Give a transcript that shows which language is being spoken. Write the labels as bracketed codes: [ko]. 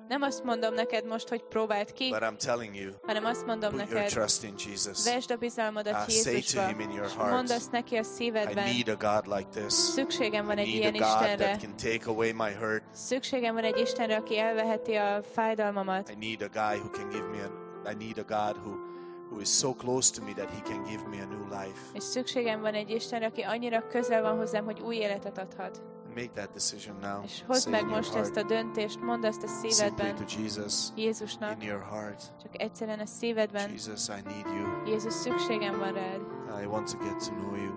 [hu] Nem azt mondom neked most, hogy próbáld ki, [en] but I'm telling you, [hu] hanem azt mondom neked, vesd a bizalmadat Jézusba, és mondd azt neki a szívedben, [en] I need a God like this. [hu] Szükségem van [en] I [hu] egy [en] need [hu] ilyen [en] a God [hu] Istenre, [en] that can take away my hurt. [hu] Szükségem van egy Istenre, aki elveheti a fájdalmamat. [en] I need a guy who can give me a, I need a God who is so close to me that he can give me a new life. [hu] És szükségem van egy Istenre, aki annyira közel van hozzám, hogy új életet adhat. [en] Make that decision now. [hu] És hozd meg most [en] heart. [hu] Ezt a döntést, mondd ezt a szívedben. [en] Simply to Jesus. [hu] Jézusnak. [en] In your heart. [hu] Csak egyszerűen a szívedben. [en] Jesus, I need you. [hu] Jézus, szükségem van rád. [en] I want to get to know you.